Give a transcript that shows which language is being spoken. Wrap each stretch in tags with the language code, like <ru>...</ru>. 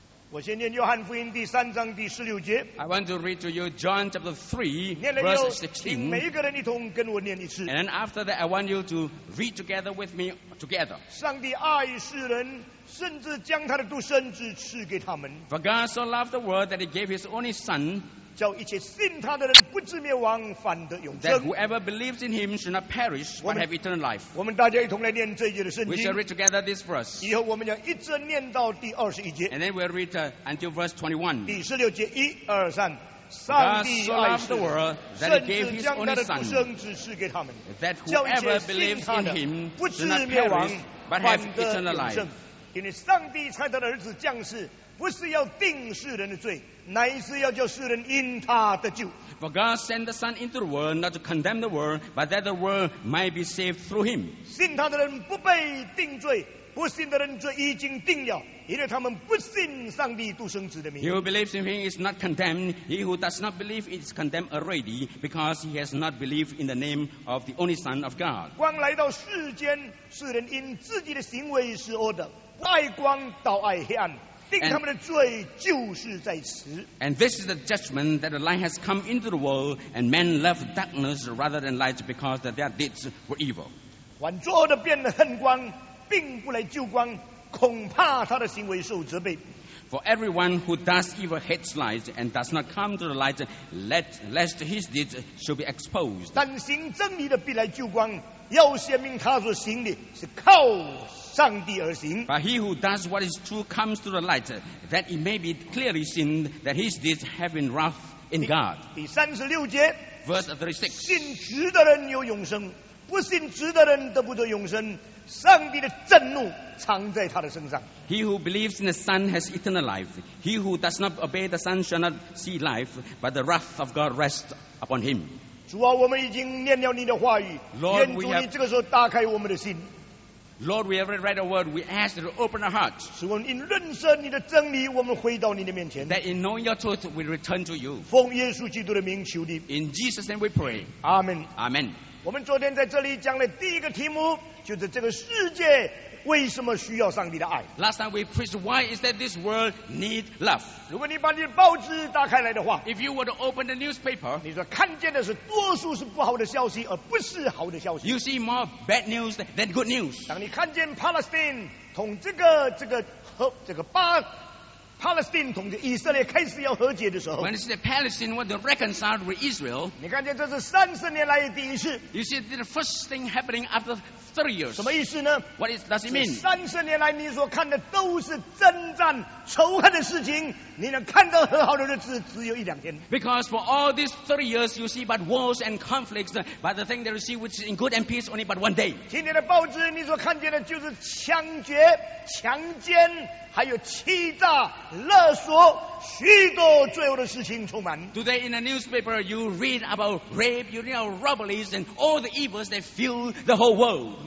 <zh>我先念约翰福音第三章第十六节。</zh> <en>I want to read to you John chapter 3, verse 16.</en> <zh>每一个人一同跟我念一次。</zh> <en>And then after that, I want you to read together with me together.</en> <zh>上帝爱世人，甚至将他的独生子赐给他们。</zh> <en>For God so loved the world that he gave his only son.</en> <zh>叫一切信他的人不至灭亡，反得永生。</zh> <en>That whoever believes in him should not perish, but have eternal life.</en> <zh>我们大家一同来念这一节的圣经。</zh> <en>We shall read together this verse.</en> <zh>以后我们要一直念到第二十一节。</zh> <en>And then we'll read until verse 21.</en> <zh>第十六节，一二三。</zh> <en>God so loved the world that he gave his only son.</en> <zh>甚至将他的独生子赐给他们。</zh> <en>That whoever believes in him should not perish, but have eternal life.</en> <zh>因为上帝差他的儿子降世。不是要定世人的罪，乃是要叫世人因他得救。</zh> <en>For God sent the Son into the world not to condemn the world, but that the world might be saved through Him.</en> <zh>信他的人不被定罪，不信的人罪已经定了，因为他们不信上帝独生子的名。</zh> <en>He who believes in Him is not condemned. He who does not believe is condemned already, because he has not believed in the name of the only Son of God.</en> <zh>光来到世间，世人因自己的行为是恶的，爱光倒爱黑暗。</zh> <en>And this is the judgment that the light has come into the world, and men love darkness rather than light because that their deeds were evil.</en> <zh>反作恶的变得恨光，并不来救光，恐怕他的行为受责备。</zh> <en>For everyone who does evil hates light and does not come to the light, lest his deeds should be exposed.</en> <zh>但行正义的必来救光，要显明他所行的是靠上帝而行。</zh> <en>But he who does what is true comes to the light, that it may be clearly seen that his deeds have been wrought in God.</en> <zh>第三十六节</zh> <en>，verse 36，</en> <zh>信直的人有永生，不信直的人得不得永生。上帝的震怒藏在他的身上。</zh> <en>He who believes in the Son has eternal life. He who does not obey the Son shall not see life, but the wrath of God rests upon him.</en> <zh>主啊，我们已经念了你的话语。</zh> <en>Lord,</en> <zh>愿主你这个时候打开我们的心。</zh> <en>Lord, we have read a word. We ask that you open our hearts.</en> <zh>使我们因认识你的真理，我们回到你的面前。</zh> <en>That in knowing your truth, we return to you.</en> <zh>奉耶稣基督的名求你。</zh> <en>In Jesus' name, we pray. Amen. Amen.</en> <zh>我们昨天在这里讲的第一个题目。就是这个世界为什么需要上帝的爱</zh> <en>？Last time we preached, why is that this world need love?</en> <zh>如果你把你的报纸打开来的话</zh> <en>，If you were to open the newspaper,</en> <zh>你说看见的是多数是不好的消息，而不是好的消息。</zh> <en>You see more bad news than good news.</en> <zh>当你看见 Palestine 同这个巴。 Palestine 同着以色列开始要和解的时候</zh> <en>，When you see the Palestine want to reconcile with Israel，</en> <zh>你看见这是三十年来第一次。</zh> <en>You see the first thing happening after 30 years。</en> <zh>什么意思呢</zh> <en>？What does it mean？</en> <zh>三十年来你所看的都是征战、仇恨的事情，你能看到和好的日子只有一两天。</zh> <en>Because for all these 30 years you see but wars and conflicts, but the thing that you see which is in good and peace only but one day。</en> <zh>今天的报纸你所看见的就是枪决、强奸。还有欺诈勒索许多罪恶的事情充满</zh> <en>Today in the newspaper you read about rape you read about robberies and all the evils that fill the whole world</en>